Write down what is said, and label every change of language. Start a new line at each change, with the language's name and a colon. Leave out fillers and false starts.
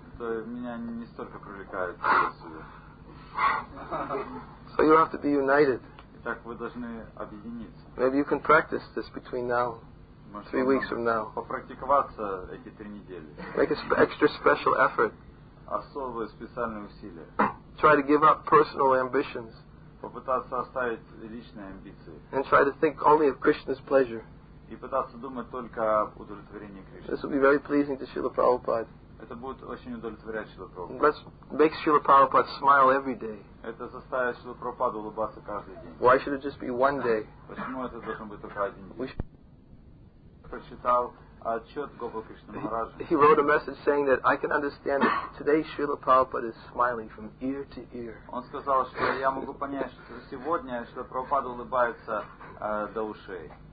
Russian: то меня не столько привлекают.
English: So you have to be united.
Russian: Итак, вы должны объединиться.
English: Maybe you can practice this between now, three weeks from now.
Russian: Попрактиковаться эти три недели.
English: Make an extra special effort.
Russian: Особые специальные усилия.
English: Try to give up personal ambitions.
Russian: Попытаться оставить личные амбиции.
English: And try to think only of Krishna's pleasure.
Russian: И пытаться думать только об удовлетворении Кришны.
English: This will be very pleasing to Srila Prabhupada.
Russian: Это будет очень удовлетворять Шрила Прабхупаду.
English: Let's make Srila Prabhupada smile every day.
Russian: Это заставит Шрила Прабхупаду улыбаться каждый день.
English: Why should it just be one day?
Russian: Почему это должен быть только один день? Прочитал отчет Гопал Кришна Махараджа.
English: He wrote a message saying that I can understand that today Srila Prabhupada is smiling from ear to ear.
Russian: Он сказал, что я могу понять, что сегодня Шрила Прабхупада улыбается до ушей.